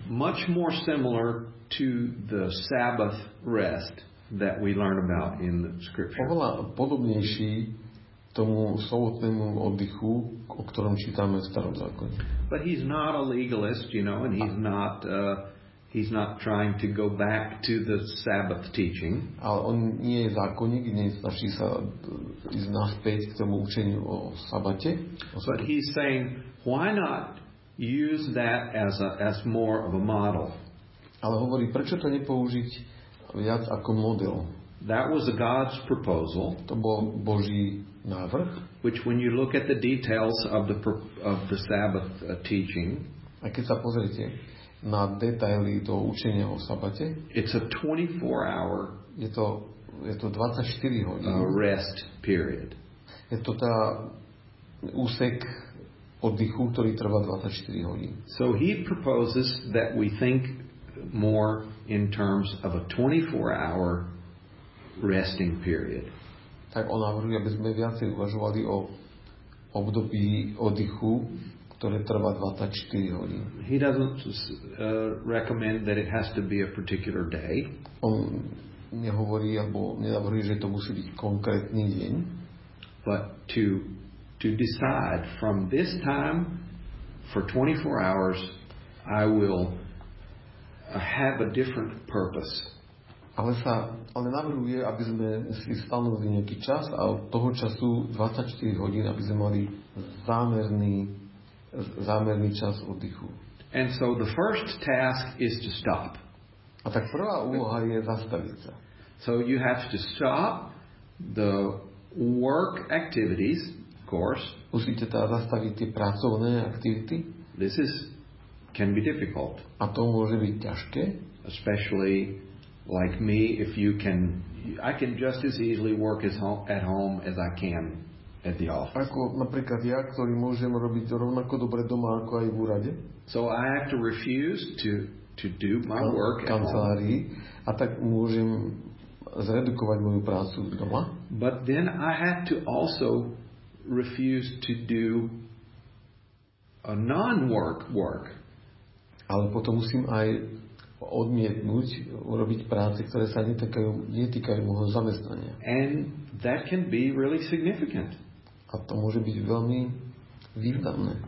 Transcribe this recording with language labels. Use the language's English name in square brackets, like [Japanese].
[English] Much more similar to the Sabbath rest that we learn about in the scripture. [Slovak] Oveľa podobnejší tomu sobotnému oddychu, o ktorom čítame v Starom zákone. [English] But he's not a legalist, you know, and he's not trying to go back to the Sabbath teaching. [Slovak] Ale on nie je zákonník, nesnaží sa ísť naspäť k tomu učeniu o sabate. [English] But he's saying, why not use that as more of a model? [Slovak] Ale hovorí, prečo to nepoužiť viac ako model? [English] That was God's proposal. [Slovak] To bol Boží návrh. [English] Which when you look at the details of the Sabbath teaching. [Slovak] A keď sa pozrite na detaily toho učenia o sabate. [English] It's a 24 hour. [Slovak] Je to 24 hodín. [English] Rest period. [Slovak] Je to teda úsek oddychu, ktorý trvá 24 hodín. [English] So he proposes that we think more in terms of a 24 hour resting period. [Slovak] Tak on navrhuje, aby sme viacej uvažovali o období oddychu, ktoré trvá 24 hodín. [English] He doesn't recommend that it has to be a particular day. [Slovak] On nehovorí alebo nenavrhuje, že to musí byť konkrétny deň. [English] But to decide from this time for 24 hours I will have a different purpose. [Slovak] Ale navrhuje, aby sme si stanovili nejaký čas a od toho času 24 hodín, aby sme mali zámerný čas oddychu. [English] And so the first task is to stop. [Slovak] A tak prvá úloha je zastaviť sa. [English] So you have to stop the work activities, of course. [Slovak] Musíte teda zastaviť tie pracovné aktivity. [English] This is can be difficult. [Slovak] A to môže byť ťažké. [English] Especially like me, if you can, I can just as easily work at home as I can at the office. [Slovak] Ako napríklad ja, ktorý môžem robiť rovnako dobre doma ako aj v úrade. [English] So I have to refuse to do my work at home. [Slovak] A tak môžem zredukovať moju prácu doma. [English] But then I have to also refuse to do a non-work work. [Slovak] Ale potom musím aj odmietnúť urobiť práce, ktoré sa netýkajú môjho zamestnania. [English] And that can be really significant. [Slovak] A to môže byť veľmi významné.